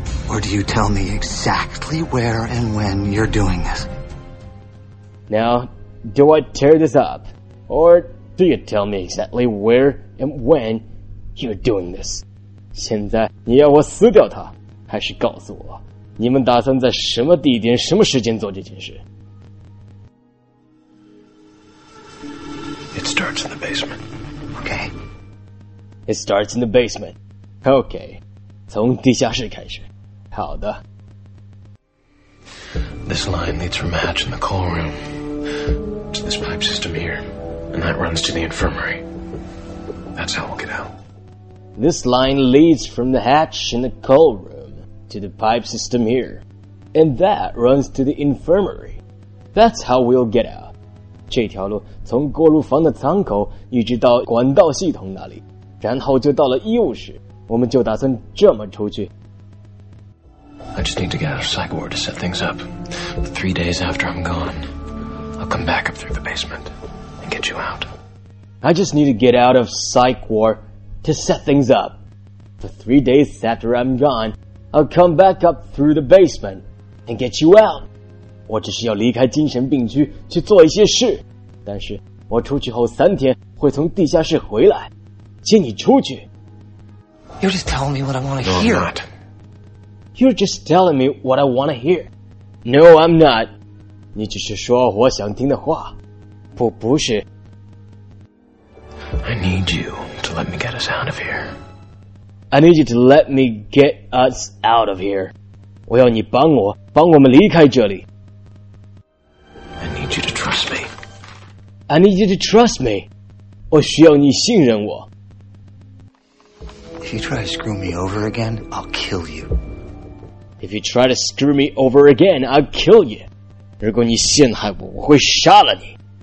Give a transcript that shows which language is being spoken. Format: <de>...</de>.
<en>Or do you tell me exactly where and when you're doing this? Now, do I tear this up? Or do you tell me exactly where and when you're doing this?</en> <zh>现在你要我撕掉它，还是告诉我，你们打算在什么地点、什么时间做这件事？</zh> <en>It starts in the basement. Okay. It starts in the basement. Okay.</en> <zh>从地下室开始。好的。</zh> <en>This line leads from Hatch in the coal room to this pipe system here, and that runs to the infirmary. That's how we'll get out. This line leads from the hatch in the coal room to the pipe system here, and that runs to the infirmary. That's how we'll get out.</en> <zh>这条路从锅炉房的舱口一直到管道系统那里，然后就到了医务室。我们就打算这么出去。</zh> <en>I just need to get out of Psych Ward to set things up. But 3 days after I'm gone, I'll come back up through the basement and get you out. I just need to get out of Psych Ward to set things up. For 3 days after I'm gone, I'll come back up through the basement and get you out.</en> <zh>我只是要离开精神病区去做一些事，但是我出去后三天会从地下室回来，请你出去。</zh> <en>You're just telling me what I want to hear. No, I'm not. You're just telling me what I want to hear. No, I'm not.</en> <zh>你只是说我想听的话。不，不是。</zh> <en>I need you to let me get us out of here. I need you to let me get us out of here.</en> <zh>我要你帮我，帮我们离开这里。</zh> <en>I need you to trust me. I need you to trust me.</en> <zh>我需要你信任我。</zh> <en>If you try to screw me over again, I'll kill you. If you try to screw me over again, I'll kill you.</en> <zh>如果你陷害我，我会杀了你。</zh>